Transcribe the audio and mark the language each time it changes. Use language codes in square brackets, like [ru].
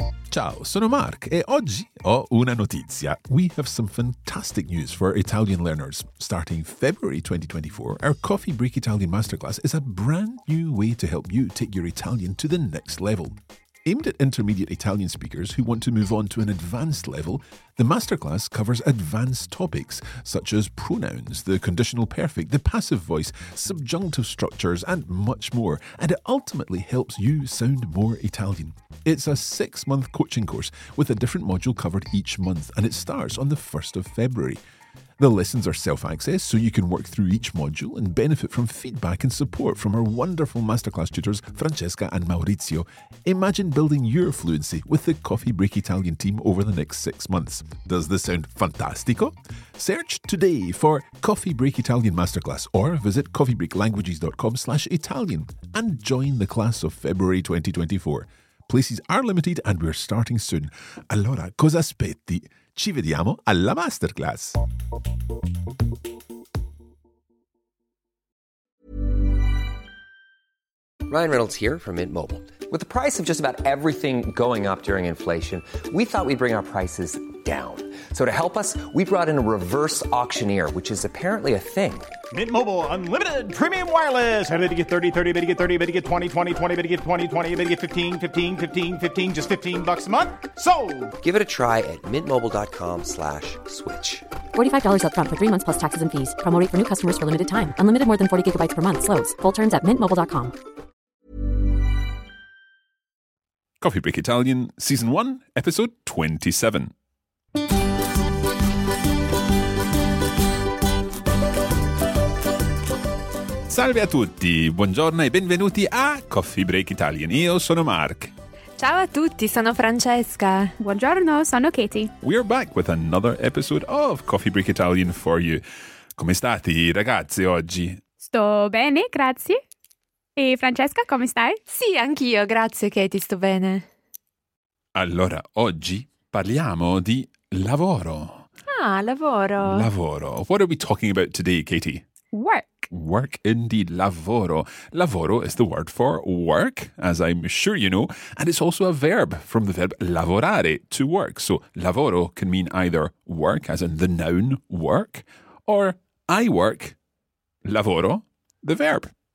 [it] Ciao, sono Mark e oggi ho una notizia. [en] We have some fantastic news for Italian learners. Starting February 2024, our Coffee Break Italian Masterclass is a brand new way to help you take your Italian to the next level. Aimed at intermediate Italian speakers who want to move on to an advanced level, the masterclass covers advanced topics such as pronouns, the conditional perfect, the passive voice, subjunctive structures, and much more, and it ultimately helps you sound more Italian. It's a six-month coaching course with a different module covered each month, and it starts on the 1st of February. The lessons are self-access, so you can work through each module and benefit from feedback and support from our wonderful masterclass tutors, Francesca and Maurizio. Imagine building your fluency with the Coffee Break Italian team over the next 6 months. Does this sound fantastico? Search today for Coffee Break Italian Masterclass or visit coffeebreaklanguages.com/Italian and join the class of February 2024. Places are limited and we're starting soon. [it] Allora, cosa aspetti? Ci vediamo alla masterclass. [en] Ryan Reynolds here from Mint Mobile. With the price of just about everything going up during inflation, we thought we'd bring our prices down. So to help us, we brought in a reverse auctioneer, which is apparently a thing. Mint Mobile Unlimited Premium Wireless. How to get 30, 30, how to get 30, how to get 20, 20, 20, how to get 20, 20, how to get 15, 15, 15, 15, just $15 a month? Sold! Give it a try at mintmobile.com/switch. $45 up front for 3 months plus taxes and fees. Promo rate for new customers for limited time. Unlimited more than 40 gigabytes per month. Slows full terms at mintmobile.com. Coffee Break Italian, Season 1, Episode 27. [it] Salve a tutti, buongiorno e benvenuti a Coffee Break Italian. Io sono Mark. Ciao a tutti, sono Francesca. Buongiorno, sono Katie. [en] We are back with another episode of Coffee Break Italian for you. [it] Come state, ragazzi, oggi? Sto bene, grazie. E Francesca, come stai? Sì, anch'io, grazie Katie, sto bene. Allora, oggi parliamo di lavoro. Ah, lavoro. Lavoro. [en] What are we talking about today, Katie? Work. Work, indeed. Lavoro. Lavoro is the word for work, as I'm sure you know, and it's also a verb from the verb lavorare, to work. So lavoro can mean either work, as in the noun work, or I work, lavoro, the verb.